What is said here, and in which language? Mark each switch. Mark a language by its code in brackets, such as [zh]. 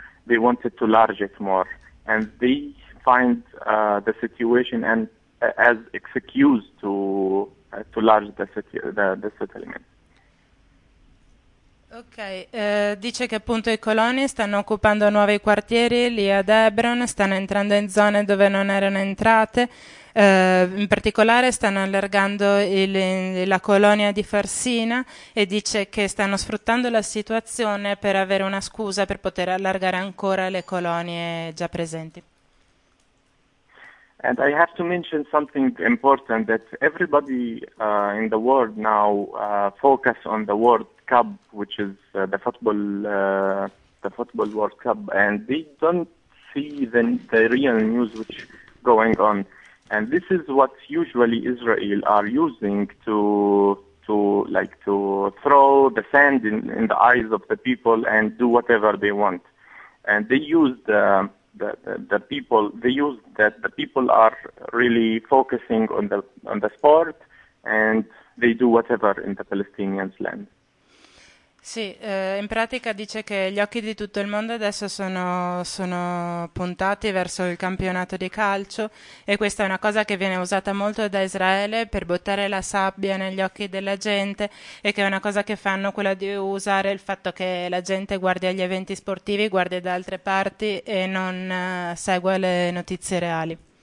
[en] They wanted to enlarge it more, and they find the situation and as excuse to large the settlement. [it] Ok, dice che appunto i coloni stanno occupando nuovi quartieri lì ad Hebron, stanno entrando in zone dove non erano entrate, in particolare stanno allargando la colonia di Farsina e dice che stanno sfruttando la situazione per avere una scusa per poter allargare ancora le colonie già presenti. [en] And I have to mention something important that everybody in the world now focus on the World Cup, which is the football World Cup, and they don't see the real news which going on. And this is what usually Israel are using to throw the sand in the eyes of the people and do whatever they want. And they use the people, they use that the people are really focusing on the sport and they do whatever in the Palestinians' land. [it] Sì, in pratica dice che gli occhi di tutto il mondo adesso sono puntati verso il campionato di calcio e questa è una cosa che viene usata molto da Israele per buttare la sabbia negli occhi della gente e che è una cosa che fanno quella di usare il fatto che la gente guardi agli eventi sportivi, guardi da altre parti e non segue le notizie reali.